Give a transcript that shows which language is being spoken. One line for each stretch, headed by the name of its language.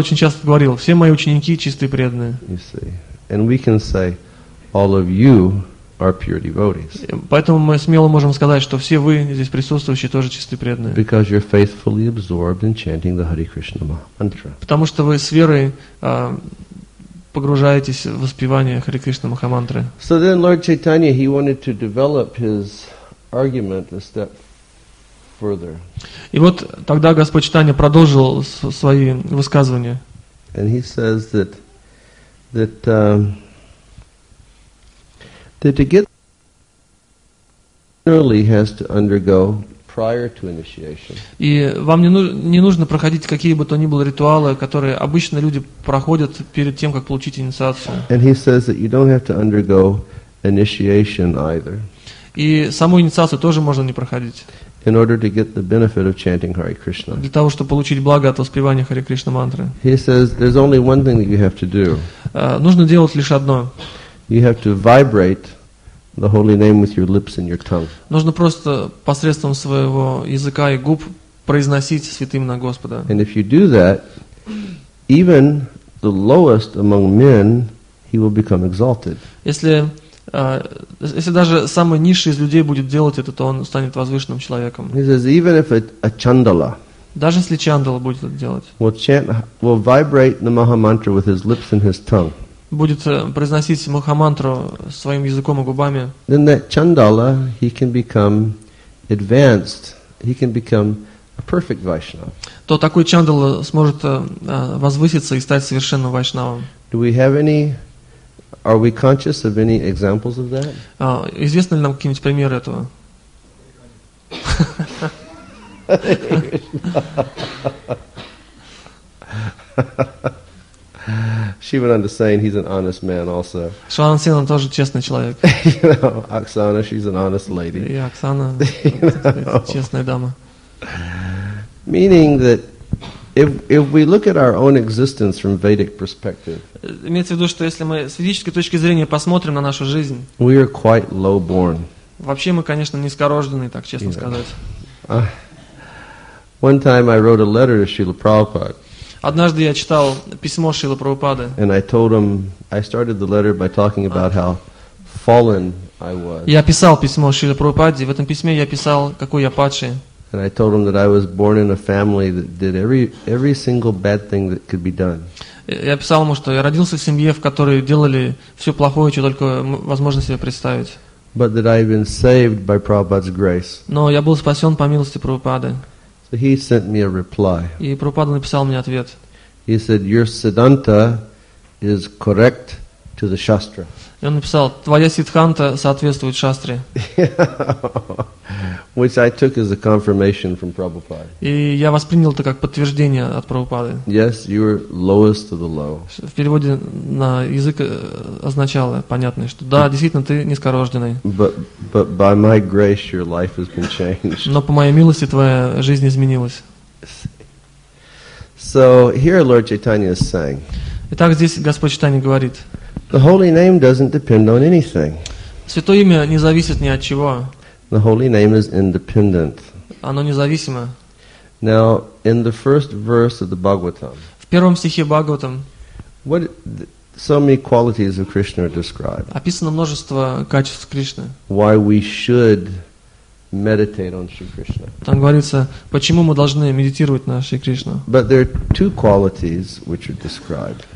Russian: очень часто говорил, все мои ученики чистые преданные. И мы можем сказать, все вы
English: are pure devotees.
Russian: Поэтому мы смело можем сказать, что все вы здесь присутствующие тоже чистые преданные.
English: Because you're faithfully absorbed in chanting the Hare Krishna mantra.
Russian: Потому что вы с верой погружаетесь в воспевание Хари Кришна Махамантры.
English: So then Lord Chaitanya, he wanted to develop his argument a step further.
Russian: И вот тогда Господь Чайтанья продолжил свои высказывания.
English: And he says that to get generally has to undergo prior to initiation.
Russian: И вам не нужно проходить какие бы то ни было ритуалы, которые обычно люди проходят перед тем, как получить инициацию.
English: And he says that you don't have to undergo initiation either.
Russian: И саму инициацию тоже можно не проходить.
English: In order to get the benefit of chanting Hare Krishna.
Russian: Для того, чтобы получить благо от воспевания Хари Кришна мантры.
English: He says there's only one thing that you have to do.
Russian: Нужно делать лишь одно.
English: You have to vibrate the holy name with your lips and your tongue.
Russian: Нужно просто посредством своего языка и губ произносить святое имя Господа.
English: And if you do that, even the lowest among men, he will become exalted.
Russian: Если даже самый низший из людей будет делать это, то он станет возвышенным человеком.
English: He says even if a chandala.
Russian: Даже если чандала будет это делать.
English: Will vibrate the maha mantra with his lips and his tongue.
Russian: Будет произносить Махамантру своим языком и губами.
English: Then that chandala, he can become advanced. He can become a perfect Vaishnava.
Russian: То такой чандала сможет возвыситься и стать совершенным вайшнавом.
English: Do we have any? Are we conscious of any examples of that?
Russian: Известны ли нам какие-нибудь примеры этого?
English: She went on to saying he's an honest man also.
Russian: Шван Сен он тоже честный человек.
English: Оксана, she's an honest lady.
Russian: И Оксана честная дама.
English: Meaning that if we look at our own existence from Vedic perspective.
Russian: Имеется в виду, что если мы с ведической точки зрения посмотрим на нашу жизнь.
English: We are quite low born.
Russian: Вообще мы, конечно, низкорожденные, так честно сказать.
English: One time I wrote a letter to Srila Prabhupada.
Russian: Однажды я читал письмо Шрилы Прабхупады.
English: And I told him, I started the letter by talking about how fallen I was.
Russian: Я писал письмо Шриле Прабхупаде, в этом письме я писал, какой я падший.
English: And I told him that I was born in a family that did every single bad thing that could be done.
Russian: Я писал ему, что я родился в семье, в которой делали все плохое, что только возможно себе представить.
English: But that I've been saved by Prabhupada's grace.
Russian: Но я был спасен по милости Прабхупады.
English: He sent me a reply.
Russian: И Прабхупада написал мне ответ.
English: He said, "Your siddhanta is correct to the shastra."
Russian: И он написал, твоя сиддханта соответствует шастре.
English: Which I took as a confirmation from Prabhupada.
Russian: И я воспринял это как подтверждение от Прабхупады.
English: Yes, you are lowest of the low.
Russian: В переводе на язык означало понятное, что да, действительно, ты низкорожденный.
English: But by my grace your life has been changed.
Russian: Но по моей милости твоя жизнь изменилась.
English: So here Lord Chaitanya is saying.
Russian: Итак, здесь Господь Чайтанья говорит.
English: The holy name doesn't depend on anything.
Russian: Святое имя не зависит ни от чего.
English: The holy name is independent.
Russian: Оно независимо.
English: Now, in the first verse of the Bhagavatam.
Russian: В первом стихе Бхагаватам.
English: What So many qualities of Krishna are described.
Russian: Описано множество качеств Кришны.
English: Why we should meditate on Shri Krishna.
Russian: Там говорится, почему мы должны медитировать на Шри Кришну.
English: But there are two qualities which are described.